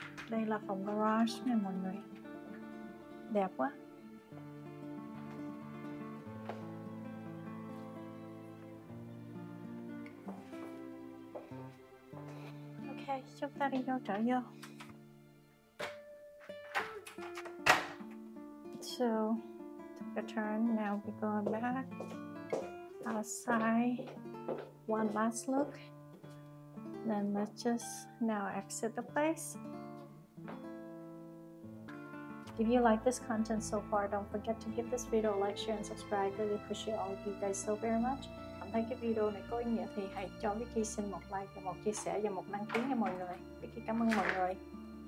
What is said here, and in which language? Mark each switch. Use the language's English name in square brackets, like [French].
[Vietnamese] Đây là phòng garage nè mọi người. Đẹp quá. Okay, chúng ta đi vô trở vô. [English] So take a turn, now we're going back outside, one last look, then let's just now exit the place. If you like this content so far, don't forget to give this video a like, share and subscribe. Really appreciate all of you guys so very much. [Vietnamese] Thấy cái video này có ý nghĩa thì hãy cho Vicky xin một like và một chia sẻ và một đăng ký nha mọi người. Vicky cảm ơn mọi người.